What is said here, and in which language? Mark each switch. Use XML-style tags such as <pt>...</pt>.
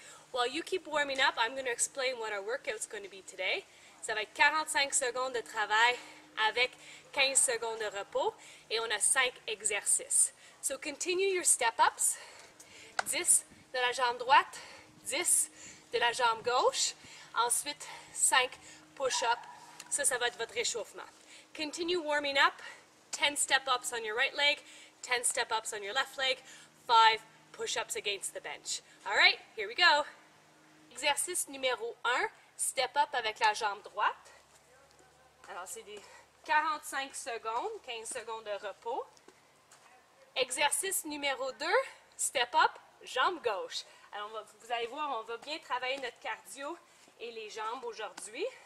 <en>While you keep warming up, I'm going to explain what our workout is going to be today.</en> <fr>Ça va être 45 secondes de travail avec 15 secondes de repos, et on a 5 exercices.</fr> <en>So continue your step-ups.</en> <fr>10 de la jambe droite, 10 de la jambe gauche, ensuite 5 push-ups. Ça va être votre réchauffement.</fr> <en>Continue warming up. 10 step-ups on your right leg, 10 step-ups on your left leg, 5 push-ups against the bench. All right, here we go.</en> <fr>Exercice numéro 1, step-up avec la jambe droite. Alors, c'est des 45 secondes, 15 secondes de repos. Exercice numéro 2, step-up, jambe gauche. Alors, vous allez voir, on va bien travailler notre cardio et les jambes aujourd'hui.</fr>